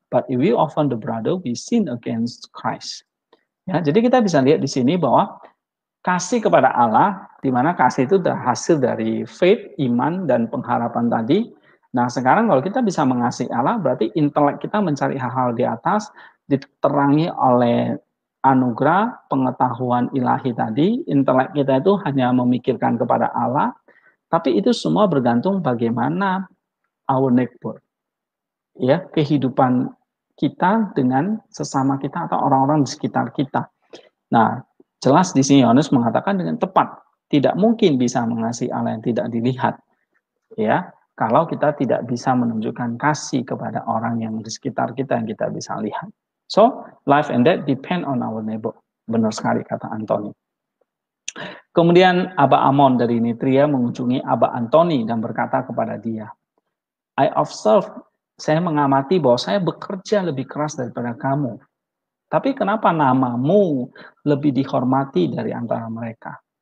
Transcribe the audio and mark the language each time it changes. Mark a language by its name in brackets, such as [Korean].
[English] But if we offend the brother, we sin against Christ. [Indonesian] Ya, jadi kita bisa lihat di sini bahwa kasih kepada Allah, di mana kasih itu hasil dari faith, iman, dan pengharapan tadi. Nah, sekarang kalau kita bisa mengasihi Allah, berarti intelek kita mencari hal-hal di atas, diterangi oleh anugerah pengetahuan ilahi tadi, intelek kita itu hanya memikirkan kepada Allah, tapi itu semua bergantung bagaimana [English] our neighbor, [Indonesian] ya, kehidupan kita dengan sesama kita atau orang-orang di sekitar kita. Nah, jelas di sini Yohanes mengatakan dengan tepat, tidak mungkin bisa mengasihi Allah yang tidak dilihat, ya, kalau kita tidak bisa menunjukkan kasih kepada orang yang di sekitar kita yang kita bisa lihat. [English] So, life and death depend on our neighbor. [Indonesian] Benar sekali kata Antoni. Kemudian Aba Amon dari Nitria mengunjungi Aba Antoni dan berkata kepada dia, [English] I observe, [Indonesian] saya mengamati bahwa saya bekerja lebih keras daripada kamu. Tapi kenapa namamu lebih dihormati dari antara mereka?